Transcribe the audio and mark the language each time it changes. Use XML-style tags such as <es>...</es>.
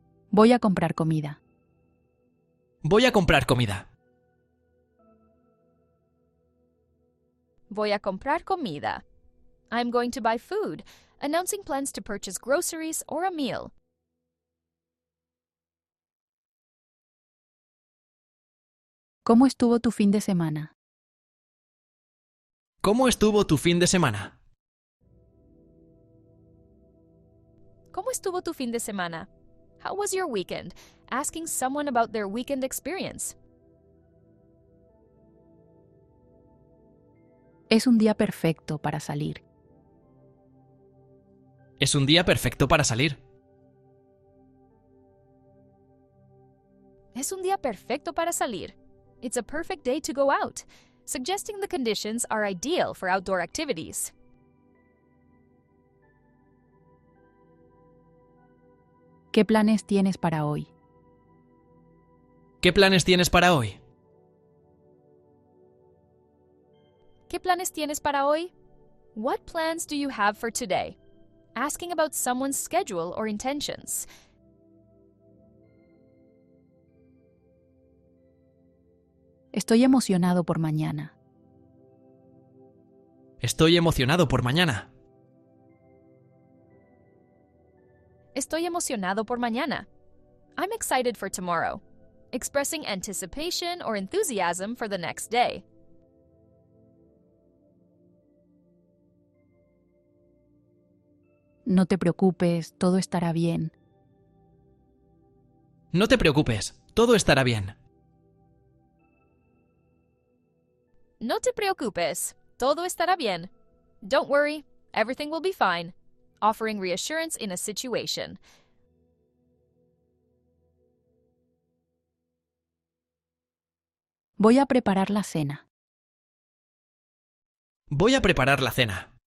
<es>Voy a comprar comida. Voy a comprar comida. Voy a comprar comida.</es> <en>I'm going to buy food. Announcing plans to purchase groceries or a meal.</en> <es>¿Cómo estuvo tu fin de semana? ¿Cómo estuvo tu fin de semana? ¿Cómo estuvo tu fin de semana?</es> <en>How was your weekend? Asking someone about their weekend experience.</en> <es>Es un día perfecto para salir. Es un día perfecto para salir. Es un día perfecto para salir.</es> <en>It's a perfect day to go out, suggesting the conditions are ideal for outdoor activities.</en> <es>¿Qué planes tienes para hoy? ¿Qué planes tienes para hoy? ¿Qué planes tienes para hoy?</es> <en>What plans do you have for today? Asking about someone's schedule or intentions.</en> <es>Estoy emocionado por mañana. Estoy emocionado por mañana. Estoy emocionado por mañana.</es> <en>I'm excited for tomorrow. Expressing anticipation or enthusiasm for the next day.</en> <es>No te preocupes, todo estará bien. No te preocupes, todo estará bien. No te preocupes, todo estará bien.</es> <en>Don't worry, everything will be fine. Offering reassurance in a situation.</en> <es>Voy a preparar la cena. Voy a preparar la cena.</es>